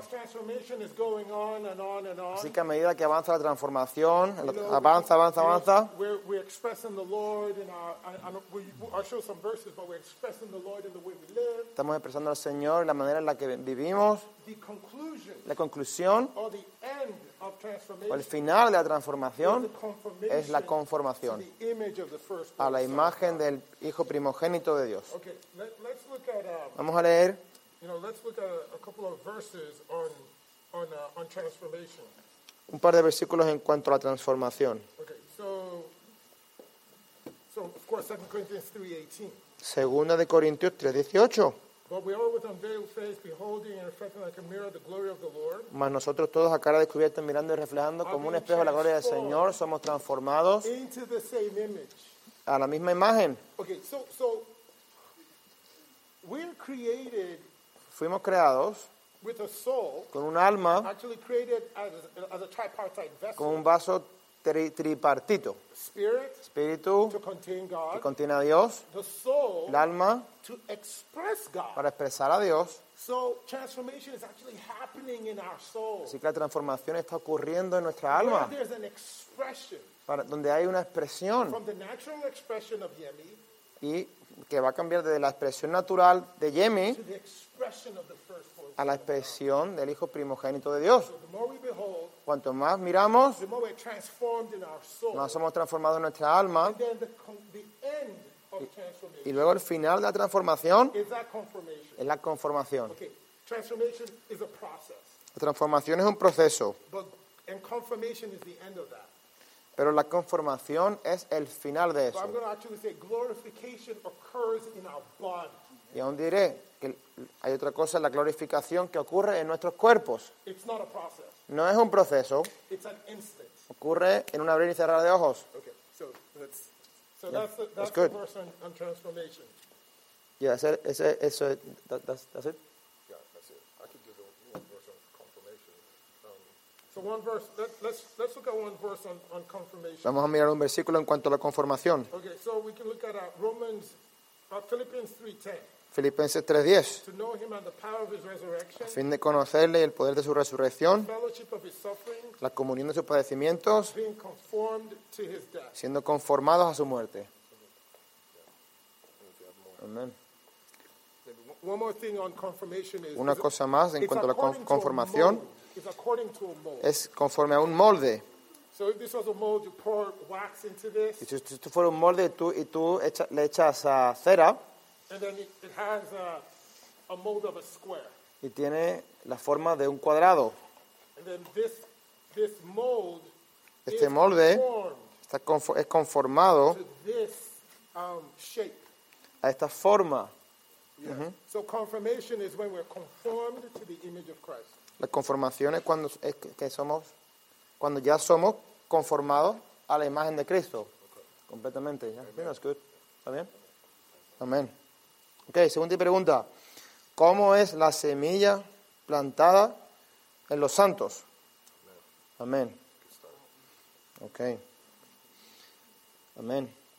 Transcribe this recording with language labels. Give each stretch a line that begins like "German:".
English: So transformation is going on and on and on.
Spanish: Así que a medida que avanza la transformación, avanza.
English: We're expressing the Lord in I'll show some verses, but we're expressing the Lord in the way we live.
Spanish: Estamos expresando al Señor en la manera en la que vivimos.
English: The conclusion,
Spanish: la conclusión,
English: or the end of transformation,
Spanish: o el final de la transformación,
English: is the confirmation,
Spanish: es la conformación
English: to the image of the firstborn,
Spanish: a la imagen son, del Hijo primogénito de Dios.
English: Okay, let's look at,
Spanish: vamos a leer,
English: you know, let's look at a couple of verses on transformation.
Spanish: Un par de versículos en cuanto a la transformación.
English: Okay, so of course, 2 Corinthians 3:18.
Spanish: Segunda de Corintios 3:18.
English: But we all with unveiled face, beholding and reflecting like a mirror the glory of the Lord.
Spanish: Mas nosotros todos a cara descubierta mirando y reflejando como un espejo la gloria del Señor, somos transformados
English: into the same image.
Spanish: A la misma imagen.
English: Okay, so we're created.
Spanish: Fuimos creados
English: with a soul.
Spanish: Con un alma.
English: Actually created as a tripartite vessel.
Spanish: Con un vaso tripartito.
English: Spirit.
Spanish: Espíritu.
English: To contain God.
Spanish: Que contiene a Dios.
English: The soul.
Spanish: El alma.
English: To express God.
Spanish: Para expresar a Dios.
English: So transformation is actually happening in our soul.
Spanish: Así que la transformación está ocurriendo en nuestra alma.
English: Where there's an expression.
Spanish: Para donde hay una expresión.
English: From the natural expression of Yemi.
Spanish: Y que va a cambiar desde la expresión natural de Yemi.
English: To the expression of the firstborn.
Spanish: A la expresión del Hijo primogénito de Dios.
English: So the more we behold.
Spanish: Cuanto más miramos.
English: The more we're transformed in our soul.
Spanish: Más somos transformados en nuestra alma.
English: And then the end.
Spanish: Y luego el final de la transformación es la conformación.
English: Okay. Transformation is a process.
Spanish: La transformación es un proceso.
English: But, and confirmation is the end of that.
Spanish: Pero la conformación es el final de eso.
English: But I'm going to actually say glorification occurs in our body.
Spanish: Y aún diré que hay otra cosa, la glorificación que ocurre en nuestros cuerpos.
English: It's not a process.
Spanish: No es un proceso.
English: It's an instant.
Spanish: Ocurre en un abrir y cerrar de ojos.
English: Okay. So yeah, that's good. The verse on transformation. Yeah, that's it. Yeah, that's it. I could give one verse on confirmation. So one verse. Let's look at one verse on confirmation.
Spanish: Vamos a mirar un versículo en cuanto a la conformación.
English: Okay, so we can look at Romans, Philippians 3:10.
Spanish: Filipenses 3:10.
English: To know him and the power of his resurrection.
Spanish: A fin de conocerle y el poder de su resurrección.
English: The fellowship of his suffering.
Spanish: La comunión de sus padecimientos.
English: Being conformed to his death.
Spanish: Siendo conformados a su muerte.
English: Amen. One more thing on confirmation is.
Spanish: Una cosa más en cuanto a la conformación.
English: It's according to a mold.
Spanish: Es conforme a un molde.
English: So if this was a mold, you pour wax into this.
Spanish: Y si esto fuera un molde y tú le echas a cera.
English: And then it has a mold of a square.
Spanish: Y tiene la forma de un cuadrado.
English: And then this mold,
Spanish: este molde, es conformado
English: to this, shape.
Spanish: A esta forma.
English: Yeah. Uh-huh. So confirmation is when we're conformed to the image of Christ.
Spanish: La conformación es cuando ya somos conformados a la imagen de Cristo.
English: Okay.
Spanish: Completamente.
English: Yeah. Amen. That's good.
Spanish: ¿Está bien? Amén. Okay, segunda pregunta. ¿Cómo es la semilla plantada en los santos? Amén. Okay. Amén.